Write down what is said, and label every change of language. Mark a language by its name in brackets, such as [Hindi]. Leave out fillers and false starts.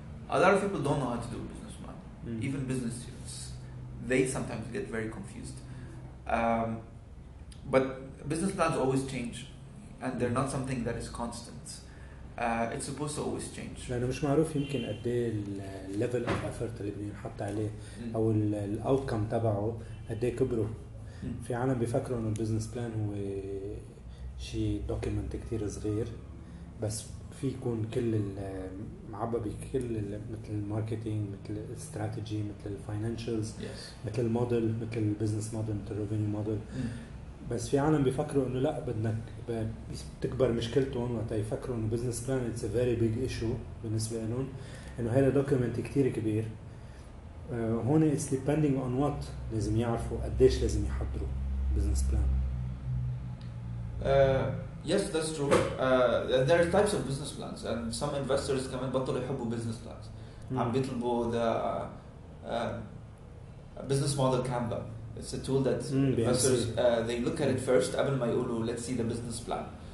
[English] A lot of people don't know how to do a business plan. Even business students. They sometimes get very confused. But business plans always change. And they're not something that is constant. It's supposed to always change. [Arabic] لأنه مش معروف يمكن قد ايه الـ [English] level of effort [Arabic] اللي بنحط عليه أو الـ outcome تبعه قد ايه كبره. في عالم بيفكروا انه البزنس بلان هو شيء دوكيمنت كتير صغير بس في يكون كل المعبى بكل مثل الماركتينج مثل الاستراتيجي مثل الفاينانشلز مثل الموديل مثل البزنس موديل مثل الريفينيو موديل بس في عالم بيفكروا انه لا بدك تكبر مشكلتهم وقت يفكروا انه بزنس بلان [English] it's a very big issue [Arabic] بالنسبه لهم انه هذا دوكيمنت كتير كبير هون [English] it's depending on what [Arabic] لازم يعرفوا قديش لازم يحضروا بزنس بلان [English] Yes, that's true. There are types of business plans, and some investors come and [Arabic] بطلوا يحبوا [English] business plans. [Arabic] بيطلبوا [English] the business model Canva. It's a tool that investors they look at it first. [Arabic] قبل ما يقولوا [English] let's see the business plan.